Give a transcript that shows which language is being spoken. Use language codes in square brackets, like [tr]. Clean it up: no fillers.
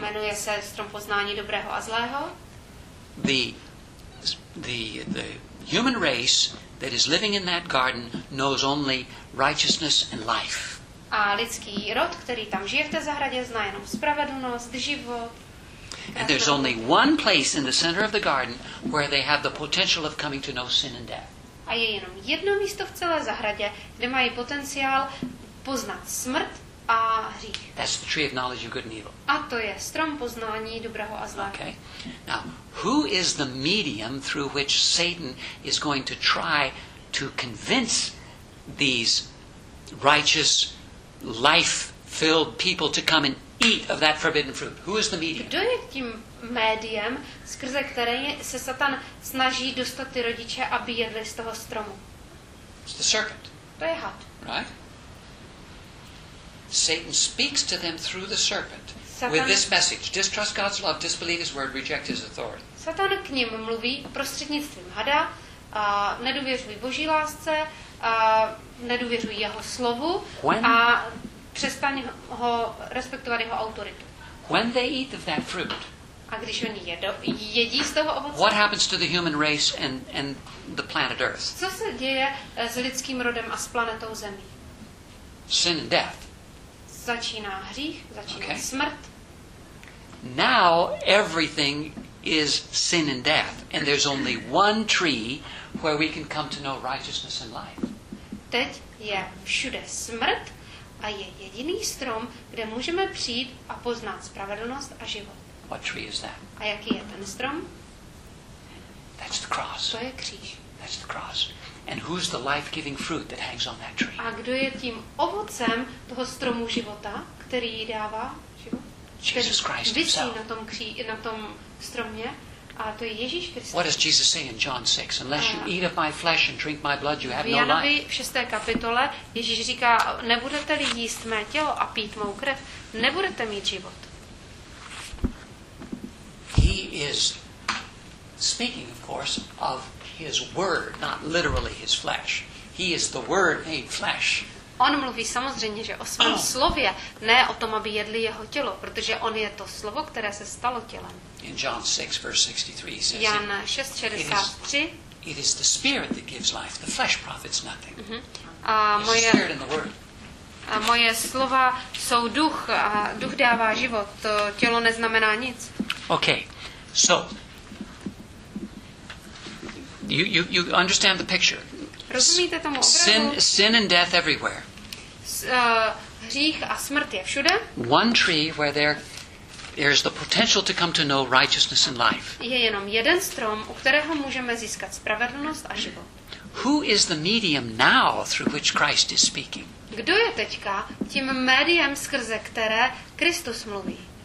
[cs] Jmenuje se strom poznání dobrého a zlého. [en] The human race that is living in that garden knows only righteousness and life. [cs] A lidský rod, který tam žije v té zahradě, zná jenom spravedlnost, život. [en] And there's only one place in the center of the garden where they have the potential of coming to know sin and death. [cs] A je jenom jedno místo v celé zahradě, kde mají potenciál poznat smrt a hřích. [en] That's the tree of knowledge of good and evil. [cs] A to je strom poznání dobrého a zla. [en] Okay. Now, who is the medium through which Satan is going to try to convince these righteous, life-filled people to come and eat of that forbidden fruit? Who is the medium? [cs] Kdo je tím médiem, skrze které se Satan snaží dostat ty rodiče, aby jedli z toho stromu? [en] It's the serpent. [cs] To je had. [en] Right? Satan speaks to them through the serpent. Satan, with this message, distrust God's love, disbelieve his word, reject his authority. [cs] Satan k ním mluví prostřednictvím hada, nedůvěřuj Boží lásce, nedůvěřuj jeho slovu a přestaň ho respektovat jeho autoritu. [en] When they eat of that fruit, [cs] a když oni jedí z toho ovoce, [en] what happens to the human race and the planet Earth? [cs] Co se děje s lidským rodem a s planetou Zemí? [en] Sin and death. [cs] Začíná hřích, začíná okay. Smrt. [en] Now everything is sin and death, and there's only one tree where we can come to know righteousness and life. [cs] Teď je všude smrt a je jediný strom, kde můžeme přijít a poznat spravedlnost a život. [en] What tree is that? [cs] A jaký je ten strom? [en] That's the cross. [cs] To je kříž. [en] That's the cross. And who's the life-giving fruit that hangs on that tree? [cs] A kdo je tím ovocem toho stromu života, který jí dává život? [en] Jesus Christ himself. [cs] Visí na tom stromě, a to je Ježíš Kristus. [en] What does Jesus say in John 6? Unless you eat of my flesh and drink my blood, you have no life. [cs] V Janovi 6. kapitole Ježíš říká, nebudete-li jíst mé tělo a pít mou krev, nebudete mít život. [en] He is speaking, of course, of his word, not literally his flesh. He is the word made flesh. [cs] On mluví samozřejmě, že o svém slově, ne o tom, aby jedli jeho tělo, protože on je to slovo, které se stalo tělem. [en] In John 6, verse 63, he says, 6:63, it is the spirit that gives life. The flesh profits nothing. It's the spirit and the word. [cs] A moje slova jsou duch, a duch dává život. Tělo neznamená nic. [en] Okay, so You understand the picture. [cs] Rozumíte tomu obrazu? [en] Sin and death everywhere. [cs] Hřích a smrt je všude. [en] One tree where there is the potential to come to know righteousness and life. [cs] Je jenom jeden strom, u kterého můžeme získat spravedlnost a život. [en] Who is the medium now through which Christ is speaking? [cs] Kdo je teďka tím médiem, skrze které Kristus mluví?